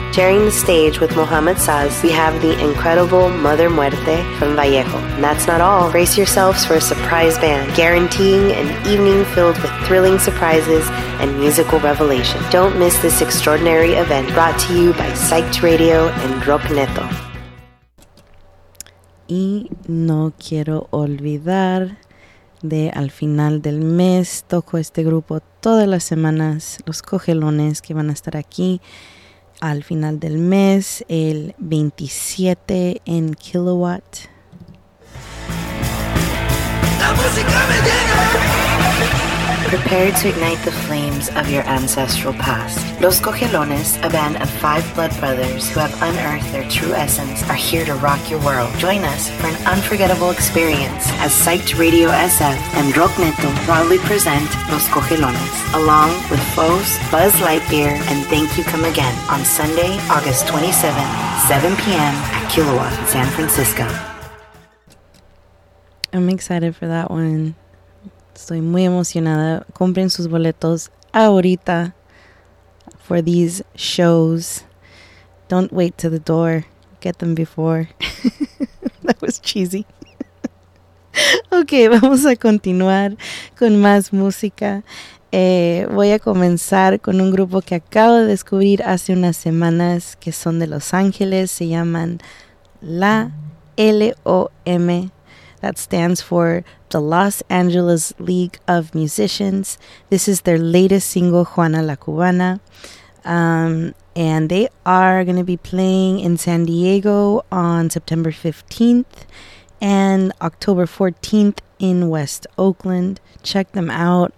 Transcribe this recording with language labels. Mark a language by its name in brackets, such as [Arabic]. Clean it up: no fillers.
[English] Sharing the stage with Mohammed Sass, we have the incredible Mother Muerte from Vallejo. And that's not all. Brace yourselves for a surprise band, guaranteeing an evening filled with thrilling surprises and musical revelation. Don't miss this extraordinary event brought to you by Psyched Radio and Rock Netto. [Spanish] Y no quiero olvidar de al final del mes, toco este grupo todas las semanas, Los Cogelones, que van a estar aquí al final del mes, el 27 en Kilowatt. La música me llega. [English] Prepare to ignite the flames of your ancestral past. Los Cogelones, a band of five blood brothers who have unearthed their true essence, are here to rock your world. Join us for an unforgettable experience as Psyched Radio SF and Rock Netto proudly present Los Cogelones, along with Foes, Buzz Lightyear, and Thank You Come Again on Sunday, August 27th, 7 p.m. at Kilowatt, San Francisco. I'm excited for that one. [Spanish] Estoy muy emocionada. Compren sus boletos ahorita [English] for these shows. Don't wait to the door. Get them before. That was cheesy. [Spanish] Okay, vamos a continuar con más música. Voy a comenzar con un grupo que acabo de descubrir hace unas semanas que son de Los Ángeles. Se llaman La LOM. [English] That stands for the Los Angeles League of Musicians. This is their latest single, Juana la Cubana. And they are going to be playing in San Diego on September 15th and October 14th in West Oakland. Check them out.